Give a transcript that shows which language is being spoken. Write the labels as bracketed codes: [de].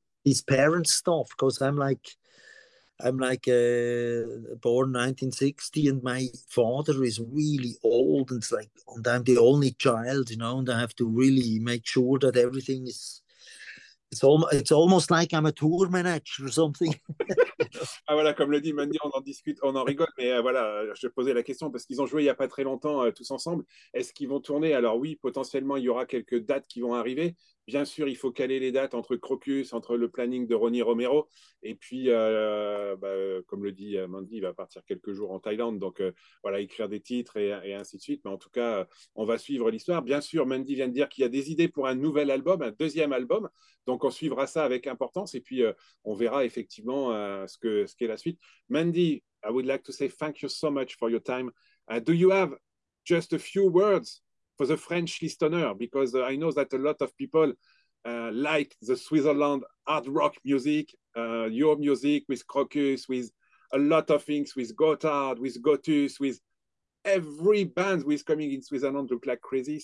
[en] His parents' stuff, because I'm like born 1960, and my father is really old, and it's like, and I'm the only child, you know, and I have to really make sure that everything is, it's almost like I'm a tour manager or something. [fr] Ah voilà, comme le dit Mandy, on en discute, on en rigole, mais voilà, je posais la question parce qu'ils ont joué il y a pas très longtemps tous ensemble. Est-ce qu'ils vont tourner? Alors oui, potentiellement il y aura quelques dates qui vont arriver, Bien sûr, il faut caler les dates entre Crocus, entre le planning de Ronnie Romero. Et puis, comme le dit Mandy, il va partir quelques jours en Thaïlande. Donc, voilà, écrire des titres et ainsi de suite. Mais en tout cas, on va suivre l'histoire. Bien sûr, Mandy vient de dire qu'il y a des idées pour un nouvel album, un deuxième album. Donc, on suivra ça avec importance. Et puis, on verra effectivement ce qu'est la suite. [en] Mandy, I would like to say thank you so much for your time. Do you have just a few words for the French listener, because I know that a lot of people like the Switzerland hard rock music, your music with Crocus, with a lot of things, with Gotthard, with Gotus, with every band who is coming in Switzerland look like crazy.